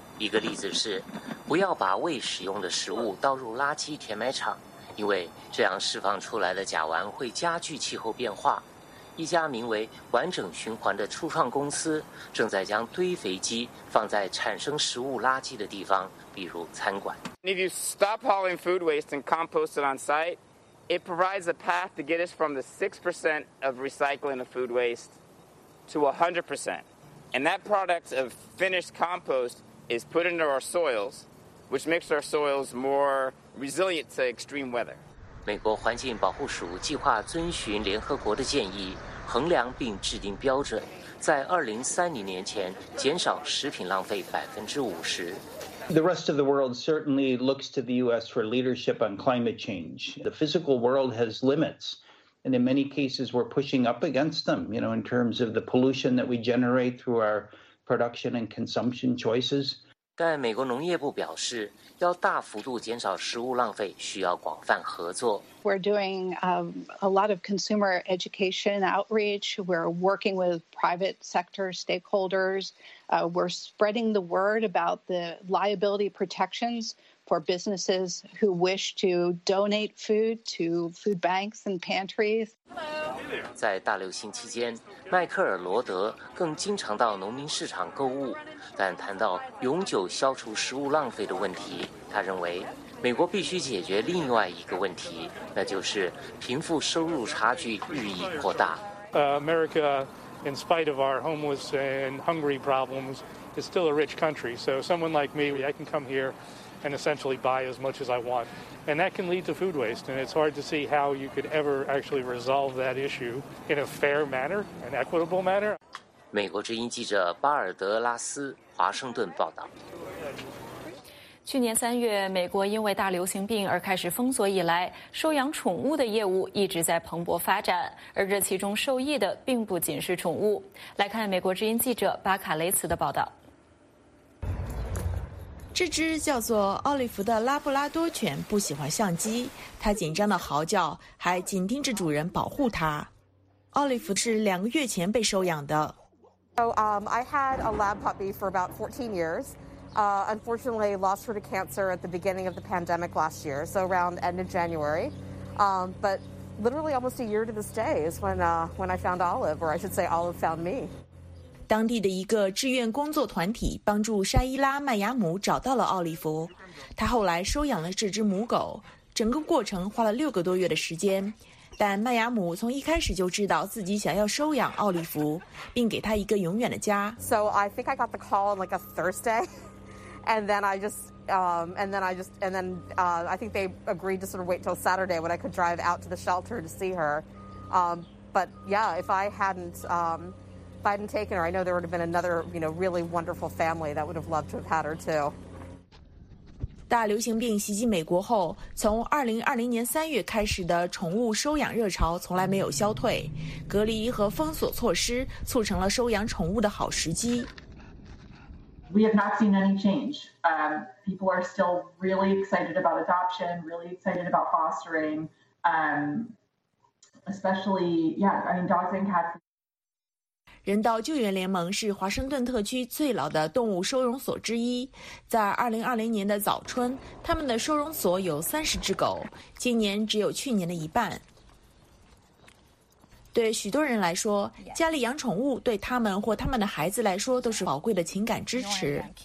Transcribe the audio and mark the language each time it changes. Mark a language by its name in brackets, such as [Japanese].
[Chinese] 一个例子是，不要把未使用的食物倒入垃圾填埋场，因为这样释放出来的甲烷会加剧气候变化。一家名为完整循环的初创公司正在将堆肥机放在产生食物垃圾的地方，比如餐馆。 [English] If you stop hauling food waste and compost it on site, it provides a path to get us from the 6% of recycling of food waste to 100%. And that product of finished compost is put into our soils, which makes our soils more resilient to extreme weather. [Chinese] 美国环境保护署计划遵循联合国的建议，衡量并制定标准，在2030年前减少食品浪费50%。 [English] The rest of the world certainly looks to the U.S. for leadership on climate change. The physical world has limits, and in many cases we're pushing up against them, you know, in terms of the pollution that we generate through our production and consumption choices. [Chinese] 但美国农业部表示，要大幅度减少食物浪费需要广泛合作。 [English] We're doing a lot of consumer education outreach. We're working with private sector stakeholders. We're spreading the word about the liability protections for businesses who wish to donate food to food banks and pantries. Hello. [Chinese] 在大流行期间，迈克尔·罗德更经常到农民市场购物，但谈到永久消除食物浪费的问题，他认为美国必须解决另外一个问题，那就是贫富收入差距日益扩大。 [English] America, in spite of our homeless and hungry problems, is still a rich country. So someone like me, I can come here and essentially buy as much as I want. And that can lead to food waste. And it's hard to see how you could ever actually resolve that issue in a fair manner, an equitable manner. [Chinese] 美国之音记者巴尔德拉斯，华盛顿报道。去年3月，美国因为大流行病而开始封锁以来，收养宠物的业务一直在蓬勃发展，而这其中受益的并不仅是宠物。来看美国之音记者巴卡雷茨的报道。这只叫做奥利弗的拉布拉多犬不喜欢相机，它紧张的嚎叫，还紧盯着主人保护它。奥利弗是2个月前被收养的。 [English] I had a lab puppy for about 14 years. Unfortunately, lost her to cancer at the beginning of the pandemic last year, so around end of January. But literally almost a year to this day is when I found Olive, or I should say Olive found me. [Chinese] 当地的一个志愿工作团体帮助沙伊拉·麦雅姆找到了奥利弗，他后来收养了这只母狗，整个过程花了6个多月的时间。但麦雅姆从一开始就知道自己想要收养奥利弗，并给他一个永远的家。 [English] So I think I got the call on like a Thursday, and then I just, I think they agreed to sort of wait till Saturday when I could drive out to the shelter to see her. But yeah, if I hadn't, Biden taken her. I know there would have been another, you know, really wonderful family that would have loved to have had her too. [Chinese] 大流行病袭击美国后，从2020年3月开始的宠物收养热潮从来没有消退，隔离和封锁措施促成了收养宠物的好时机。 [English] We have not seen any change. People are still really excited about adoption, really excited about fostering, especially, yeah, I mean, dogs and cats. [Chinese] 人道救援联盟是华盛顿特区最老的动物收容所之一。在2020年的早春，他们的收容所有30只狗，今年只有去年的一半。对许多人来说，家里养宠物对他们或他们的孩子来说都是宝贵的情感支持。